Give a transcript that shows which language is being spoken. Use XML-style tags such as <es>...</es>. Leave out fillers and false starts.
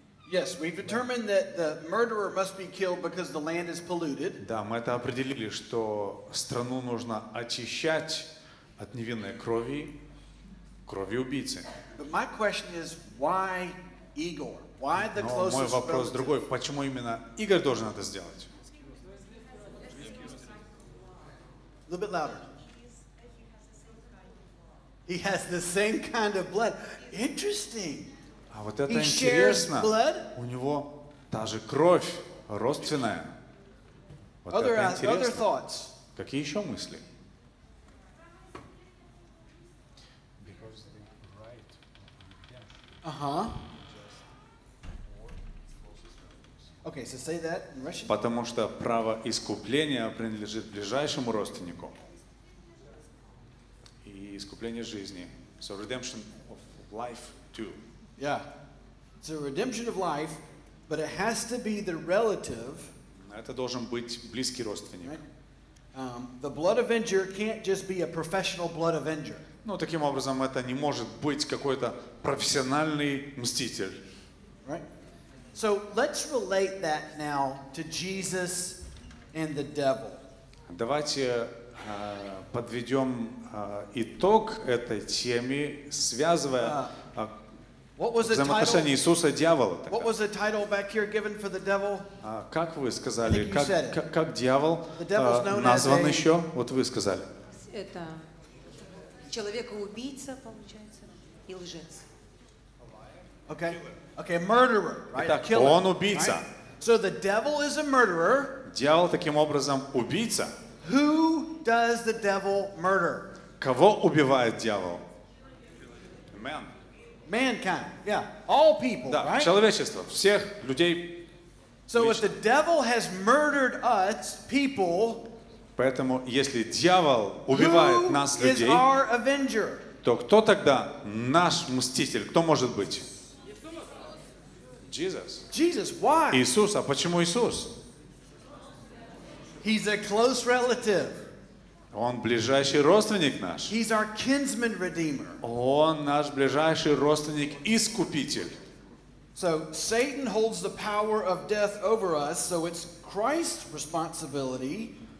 <en>Yes, we've determined that the murderer must be killed because the land is polluted.</en> <ru>Да, мы это определили, что страну нужно очищать от невинной крови, крови убийцы.</ru> <en>But my question is, why Igor? Why the closest relative?</en> <ru>Но мой вопрос другой. Почему именно Игорь должен это сделать?</ru> <en>A little bit louder. He has the same kind of blood. Interesting.</en> <ru>А вот это</ru> <en>he</en> <ru>интересно.</ru> <en>Blood?</en> <ru>У него та же кровь родственная. Вот</ru> <en>other,</en> <ru>это интересно.</ru> <en>Other thoughts.</en> <ru>Какие еще мысли?</ru> <en>Because the right. Okay, so say that in Russian.</en> <ru>Потому что право искупления принадлежит ближайшему родственнику. И искупление жизни.</ru> <en>So redemption of life too. Yeah. It's a redemption of life, but it has to be the relative.</en> <ru>Это должен быть близкий родственник.</ru> <en>Right? The blood avenger can't just be a professional blood avenger.</en> <ru>Ну, таким образом, это не может быть какой-то профессиональный мститель.</ru> <en>Right? So let's relate that now to Jesus and the devil.</en> <ru>Давайте подведем итог этой теме, связывая взаимоотношения Иисуса и дьявола.</ru> <en>What was the title back here given for the devil?</en> <ru>Как вы сказали, как дьявол назван еще? Вот вы сказали. Это человек-убийца, получается, и лжец.</ru> <en>Okay. Okay, murderer, right?</en> <ru>Итак,</ru> <en>killer,</en> <ru>он убийца.</ru> <en>Right? So the devil is a murderer.</en> <ru>Дьявол таким образом убийца.</ru> <en>Who does the devil murder?</en> <ru>Кого убивает дьявол?</ru> <en>Man. Mankind. Yeah, all people,</en> <ru>да,</ru> <en>right?</en> <ru>Человечество, всех людей.</ru> <en>So if the devil has murdered us, people.</en> <ru>Поэтому если дьявол убивает нас людей,</ru> <en>who is our avenger?</en> <ru>То кто тогда наш мститель? Кто может быть?</ru> <en>Jesus, why?</en> <ru>Иисус, а почему Иисус?</ru> <en>He's a close relative.</en> <ru>Он ближайший родственник наш.</ru> <en>He's our kinsman redeemer.</en> <ru>Он наш ближайший родственник искупитель.</ru> <en>So Satan holds the power of death over us, so it's Christ's responsibility.</en>